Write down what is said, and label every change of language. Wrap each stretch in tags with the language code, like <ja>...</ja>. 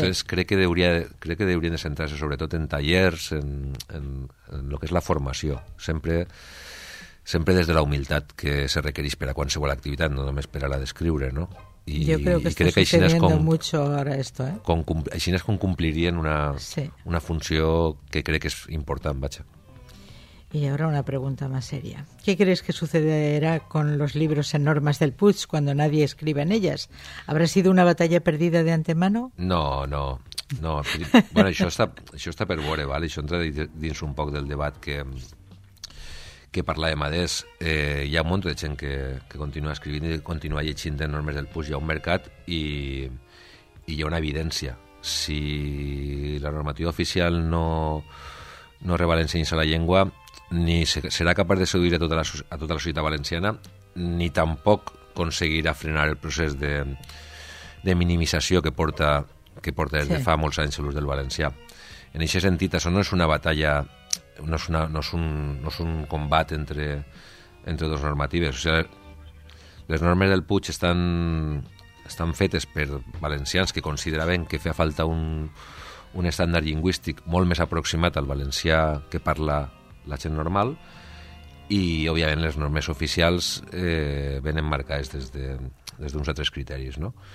<ca>Entonces, crec que hauria de centrar-se sobretot en tallers, en lo que és la formació, sempre des de la humilitat que se requereix per a qualsevol activitat, no només per a la d'escriure, no? I jo crec que està succeint</ca> <es>mucho</es> <ca>ara</ca> <es>esto,</es> <ca>eh? Així és com complirien una funció que crec que és important, vaja.</ca> <es>Y ahora una pregunta más seria. ¿Qué crees que sucederá con los libros en normas del Puig cuando nadie escribe en ellas? ¿Habrá sido una batalla perdida de antemano? No.</es> <ca>Bueno, això està per veure, ¿vale? Això entra dins un poc del debat que parlàvem adés. Hi ha un munt de gent que continua escrivint i continua llegint en normes del Puig. Hi ha un mercat i hi ha una evidència. Si la normativa oficial no revalencia la llengua, ni serà capaç de seduir a tota la societat valenciana, ni tampoc aconseguirà frenar el procés de minimització que porta des de fa molts anys l'ús del valencià.</ca> <es>en ese sentido, eso no es una batalla, no es un combate entre dos normatives. O sea,</es> <ca>les normes del Puig estan fetes per valencians que consideraven que feia falta un estàndard lingüístic molt més aproximat al valencià que parla la gent normal, i òbviament les normes oficials venen marcades des d'uns altres criteris, no?</ca>